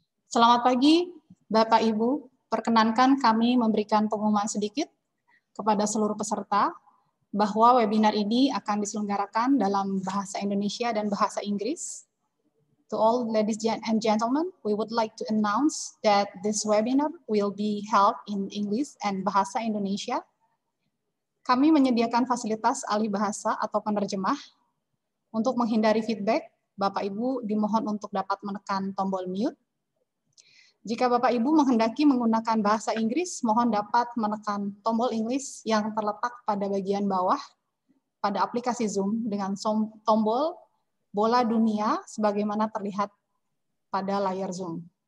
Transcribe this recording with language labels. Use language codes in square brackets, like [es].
[id] Selamat pagi, Bapak Ibu. Perkenankan kami memberikan pengumuman sedikit kepada seluruh peserta bahwa webinar ini akan diselenggarakan dalam bahasa Indonesia dan bahasa Inggris. [en] To all ladies and gentlemen, we would like to announce that this webinar will be held in English and Bahasa Indonesia. [id] Kami menyediakan fasilitas alih bahasa atau penerjemah. Untuk menghindari feedback, Bapak Ibu dimohon untuk dapat menekan tombol mute. Jika Bapak Ibu menghendaki menggunakan bahasa Inggris, mohon dapat menekan tombol English yang terletak pada bagian bawah pada aplikasi Zoom dengan tombol bola dunia sebagaimana terlihat pada layar Zoom.